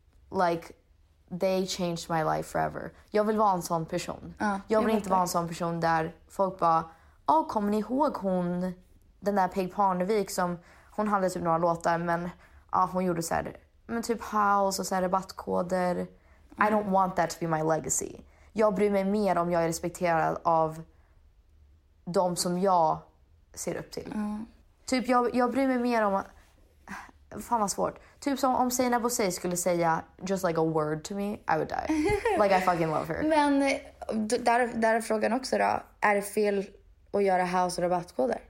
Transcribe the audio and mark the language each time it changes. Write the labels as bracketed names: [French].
[English] Like, they changed my life forever. [Swedish] Jag vill vara en sån person. Jag vill inte vara en sån person där folk bara, kommer ni ihåg hon, den där Peg Parnevik som, hon hade typ några låtar, men hon gjorde så här, men typ house och så här rabattkoder. [English] I don't want that to be my legacy. [Swedish] Jag bryr mig mer om jag är respekterad av de som jag ser upp till. Typ jag bryr mig mer om fan vad svårt. Typ som om Sina Bosse skulle säga [English] just like a word to me, I would die. Like I fucking love her. [Swedish] Men där är frågan också då. Är det fel att göra house rabattkoder?